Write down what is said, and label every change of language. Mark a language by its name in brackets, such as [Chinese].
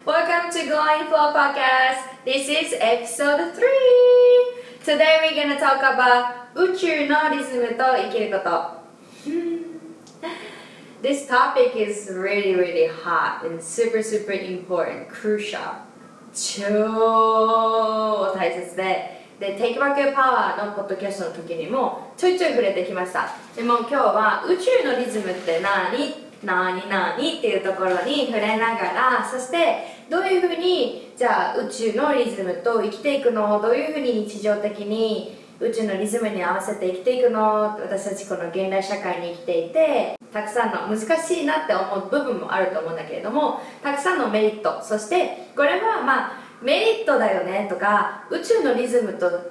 [English] Welcome to Glowing Flow Podcast. This is episode 3. Today we're gonna talk about [Japanese] 宇宙のリズムと生きること. [English] This topic is really, really hot and super, super important, crucial. [Japanese] 超大切で。で、Take Back Your Power のポッドキャストの時にもちょいちょい触れてきました。でも今日は宇宙のリズムって何?何何っていうところに触れながら、そしてどういうふうにじゃあ宇宙のリズムと生きていくの、どういうふうに日常的に宇宙のリズムに合わせて生きていくの、私たちこの現代社会に生きていてたくさんの難しいなって思う部分もあると思うんだけれども、たくさんのメリット、そしてこれはまあメリットだよねとか宇宙のリズムと